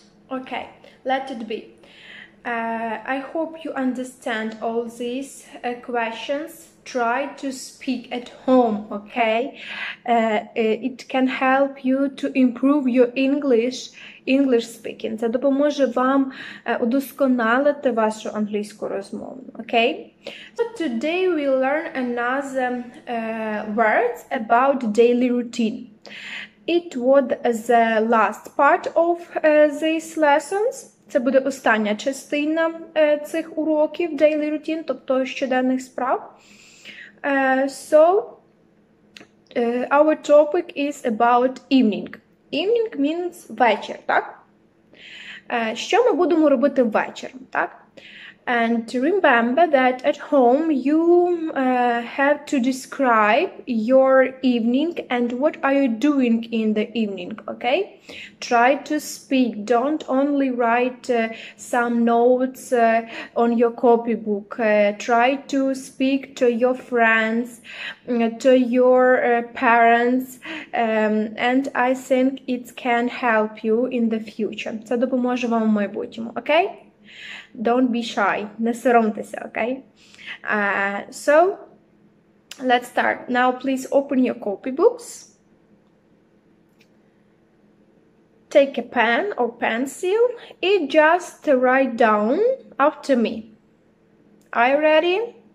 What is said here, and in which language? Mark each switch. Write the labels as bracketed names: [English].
[English] Okay, let it be. I hope you understand all these questions. try to speak at home, okay? It can help you to improve your English speaking. [Ukrainian] Це допоможе вам удосконалити вашу англійську розмову, okay? [English] So today we learn another words about daily routine. It was the last part of these lessons. [Ukrainian] Це буде остання частина цих уроків [English] daily routine, [Ukrainian] тобто щоденних справ. [English] So our topic is about evening. Evening means вечір, так? [Ukrainian] Що ми будемо робити ввечері, так? [English] And remember that at home you have to describe your evening and what are you doing in the evening, okay? Try to speak, don't only write some notes on your copybook. Try to speak to your friends, to your parents, and I think it can help you in the future. [Ukrainian] Це допоможе вам в майбутньому, okay? [English] Don't be shy. [Ukrainian] Не соромтеся, [English] okay? So, let's start. Now, please open your copybooks. Take a pen or pencil and just write down after me. Are you ready?